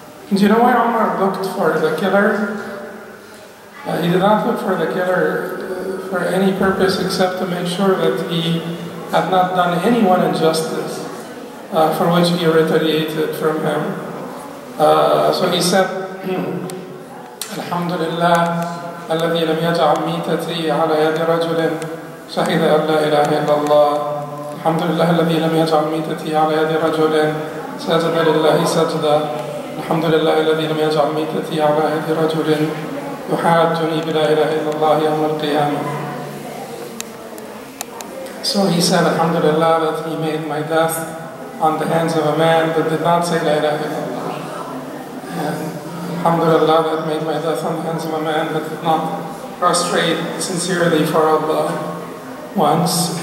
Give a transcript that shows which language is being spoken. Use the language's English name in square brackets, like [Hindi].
[English] Do you know why Umar looked for the killer? He did not look for the killer for any purpose except to make sure that he had not done anyone injustice for which he retaliated from him. So he said, [Arabic] Alhamdulillah, الذي لم يجعل ميتتي على يد رجل شهد أن لا إله إلا الله الحمد لله الذي لم يجعل ميتتي على يد رجل ساجد لله سجدا الحمد لله الذي لم يجعل ميتتي على يد رجل يحاجني بلا إله إلا الله يوم القيامة. [English] So he said, Alhamdulillah, that he made my death on the hands of a man that did not say La ilaha illallah. And Alhamdulillah, that made my death on the hands of a man that did not prostrate sincerely for Allah once.